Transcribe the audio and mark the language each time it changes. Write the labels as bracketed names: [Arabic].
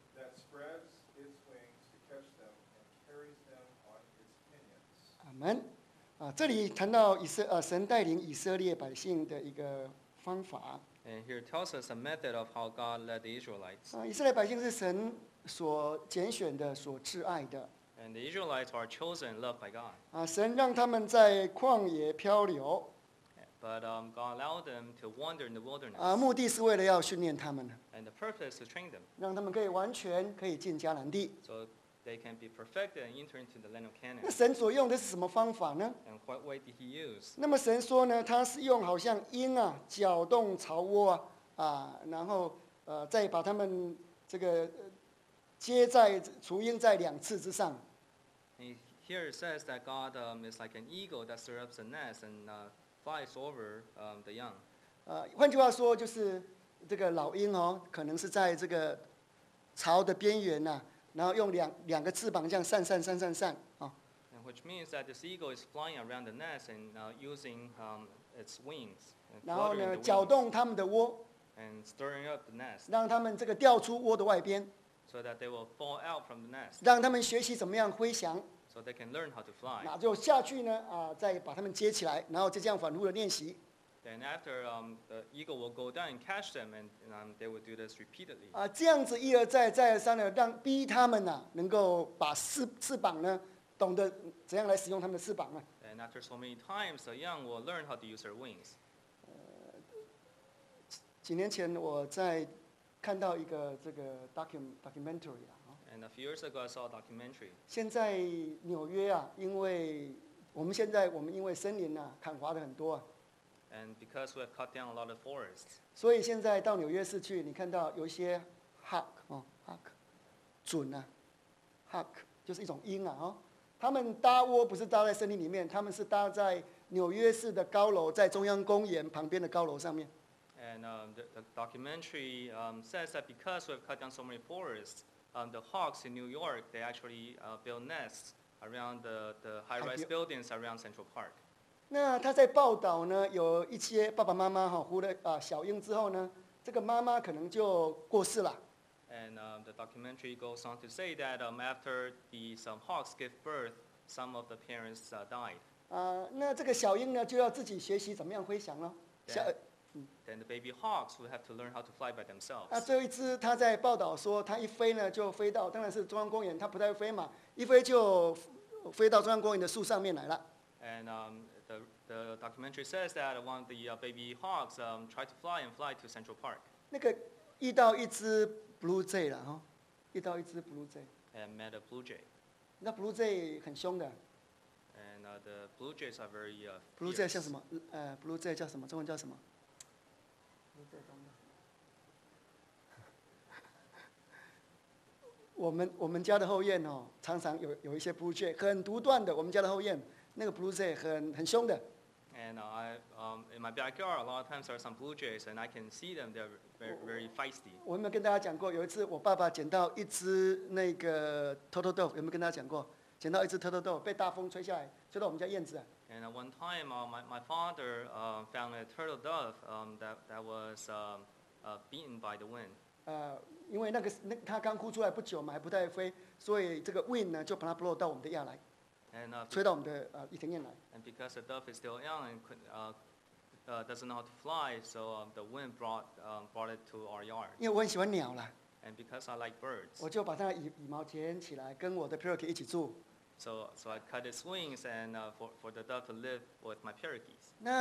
[English] That spreads its wings to catch them and carries them on its pinions. Amen. [Chinese] 这里谈到神带领以色列百姓的一个方法。 [English] And here tells us a method of how God led the Israelites. [Chinese] 以色列百姓是神所拣选的、所挚爱的。 [English] And the Israelites are chosen, loved by God. [Chinese] 神让他们在旷野漂流。 [English] But God allowed them to wander in the wilderness. [Chinese] 目的是为了要训练他们。 [English] And the purpose to train them. [Chinese] 让他们可以完全可以进迦南地。 [English] So,They can be perfected and enter into the land of Canaan. [Chinese] 那神所用的是什么方法呢？ [English] And what way did he use? [Chinese] 那么神说呢，他是用好像鹰啊，搅动巢窝啊，然后再把他们这个接在雏鹰在两翅之上。 [English] Here it says that God is like an eagle that stirs up the nest and flies over the young. [Chinese] 换句话说，就是这个老鹰哦，可能是在这个巢的边缘呐、啊。然后用 两个翅膀这样扇扇扇扇扇、 [English] Which means that this eagle is flying around the nest and using its wings. [Chinese] 然后呢，搅动他们的窝。 [English] And stirring up the nest. [Chinese] 让他们这个掉出窝的外边。 [English] So that they will fall out from the nest. [Chinese] 让他们学习怎么样飞翔。 [English] So they can learn how to fly. [Chinese] 那就下去呢，再把他们接起来，然后就这样反复的练习。 [English] Then after the eagle will go down and catch them, and they will do this repeatedly. [Chinese] 这样子一而再，再而三的让逼他们呐、能够把翅膀呢，懂得怎样来使用他们的翅膀啊。 [English] And after so many times, the young will learn how to use their wings. [Chinese] 几年前我在看到一个这个 documentary 啊。 [English] And a few years ago, I saw a documentary. [Chinese] 现在纽约啊，因为我们因为森林呐、砍伐的很多。 [English] And because we have cut down a lot of forests. [Chinese] 所以现在到纽约市去，你看到有一些 hawk 哦 ，hawk， 隼啊 ，hawk 就是一种鹰啊，哦，他们搭窝不是搭在森林里面，他们是搭在纽约市的高楼，在中央公园旁边的高楼上面。 [English] And the documentary says that because we have cut down so many forests, the hawks in New York they actually build nests around the high-rise buildings around Central Park. [Chinese] 那他在报道呢，有一些爸爸妈妈哈呼了小鹰之后呢，这个妈妈可能就过世了。 [English] And the documentary goes on to say that after some hawks give birth, some of the parents died. [Chinese] 那这个小鹰呢就要自己学习怎么样飞翔了。 [English] Then the baby hawks would have to learn how to fly by themselves. [Chinese] 那最后一只，他在报道说，它一飞呢，就飞到， 当然是中央公园， 它不太会飞嘛， 一飞就飞到中央公园的树上面来了。 [English] And the documentary says that one of the baby hawks tried to fly and fly to Central Park. [Chinese] 那个遇到一只 blue jay 了， 遇到一只 blue jay. [English] And met a blue jay. [Chinese] 那 blue jay 很凶的。 [English] And the blue jays are very fierce. [Chinese] Blue jay 像什么？ blue jay 叫什么？中文叫什么？我们家的后院哦，常常有一些 blue jay， 很独断的。我们家的后院那个 blue jay 很凶的。 [English] And in my backyard, a lot of times there are some blue jays, and I can see them. They're very, very feisty. [Chinese] 我有没有跟大家讲过，有一次我爸爸捡到一只那个 turtle dove？有没有跟大家讲过，捡到一只 turtle dove 被大风吹下来，吹到我们家燕子。 [English] And one time, my father found a turtle dove that was beaten by the wind. [Chinese] 因为那个它刚哭出来不久嘛，还不太会飞，所以这个 wind 呢就把它 blow 到我们的院来， [English] and, [Chinese] 吹到我们的 一庭院来。 [English] And because the dove is still young and doesn't know how to fly, so the wind brought it to our yard. [Chinese] 因为我很喜欢鸟啦。 [English] And because I like birds. [Chinese] 我就把它羽毛捡起来，跟我的 parakeet 一起住。 [English] So I cut its wings and for the dove to live with my parakeets.